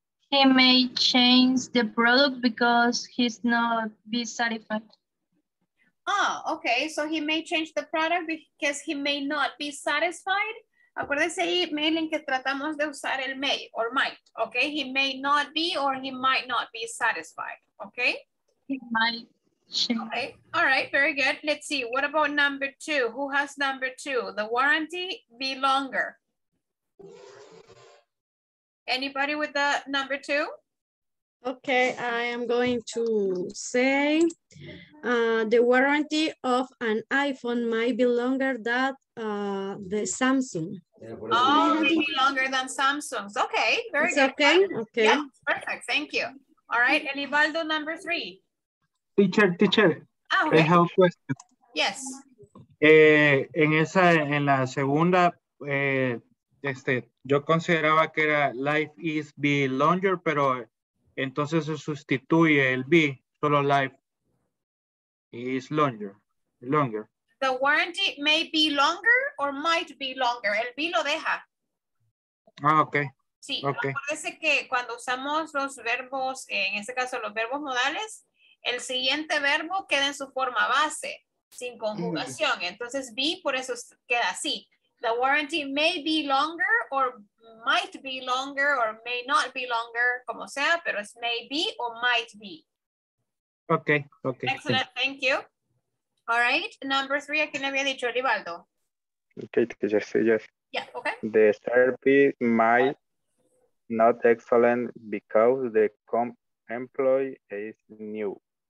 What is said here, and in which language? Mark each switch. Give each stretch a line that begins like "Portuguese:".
English: He may change the product because he's not be satisfied. Ah, okay. So he may change the product because he may not be satisfied.
Spanish: Acuérdense ahí, Maylin, que tratamos de usar el may or might.
English: Okay, he may not be or he might not be satisfied. Okay? He might. Okay. All right, very good. Let's see. What about number two? Who has number two? The warranty be longer. Anybody with the number two? Okay, I am going to say the warranty of an iPhone might be longer than the Samsung. Oh, maybe longer than Samsung's. Okay, very good. Okay, okay. Yeah, perfect. Thank you. All right, Elivaldo, number three. Teacher, okay. I have a question. Yes.
Spanish: En la segunda, yo consideraba que era
English: life is be longer,
Spanish: pero entonces se sustituye el be, solo
English: life is longer, longer. The warranty may be longer or might be longer.
Spanish: El be lo deja.
English: Ah, okay.
Spanish: Sí, okay. Acuérdese que cuando usamos los verbos, en este caso los verbos modales, el siguiente verbo queda en su forma base, sin conjugación. Entonces, be, por eso queda así.
English: The warranty may be longer
Spanish: or might be longer or may not be longer, como sea, pero es
English: may be or might be. Okay, okay. Excellent, thank you.
Spanish: All right, number three, ¿a quién le había dicho, Rivaldo?
English: Okay, yes, yes. Yeah, okay. The service might not excellent because the employee is new.